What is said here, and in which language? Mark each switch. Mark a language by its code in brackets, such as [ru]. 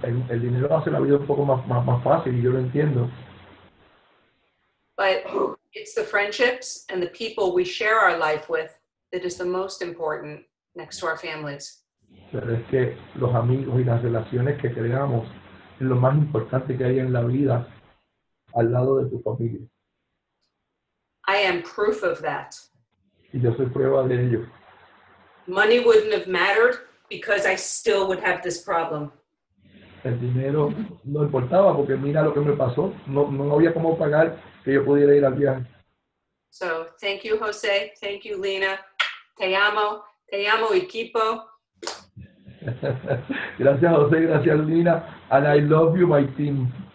[es] El dinero hace la vida un poco más fácil y yo lo entiendo. [en] But it's the friendships and the people we share our life with that is the most important next to our families. [es] Pero es que los amigos y las relaciones que creamos es lo más importante que hay en la vida al lado de tu familia. [en] I am proof of that. [es] Y yo soy prueba de ello. [en] Money wouldn't have mattered because I still would have this problem. [es] El dinero no importaba porque mira lo que me pasó. No había cómo pagar que yo pudiera ir al viaje. [en] So, thank you, Jose. Thank you, Lina. [es] Te amo. Te amo, equipo. Gracias, Jose. Gracias, Lina. [en] And I love you, my team.